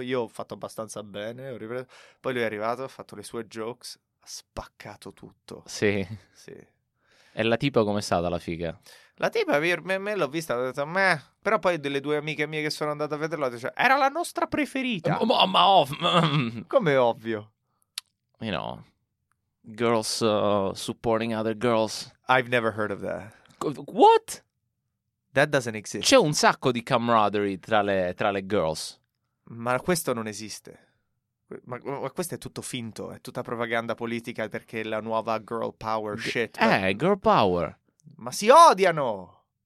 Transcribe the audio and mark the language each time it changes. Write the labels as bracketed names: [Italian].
[Italian] Io ho fatto abbastanza bene, poi lui è arrivato, ha fatto le sue jokes, ha spaccato tutto. Sì. Sì. E la tipa com'è stata, la figa? La tipa, me l'ho vista, ho detto, meh. Però poi delle due amiche mie che sono andate a vederla, dice, era la nostra preferita. Come ovvio? [English] You know. Girls supporting other girls. I've never heard of that. What? That doesn't exist. [Italian] C'è un sacco di camaraderie tra le girls. Ma questo non esiste. Ma questo è tutto finto. È tutta propaganda politica perché la nuova [English] girl power shit. Girl power. [Italian] Ma si odiano!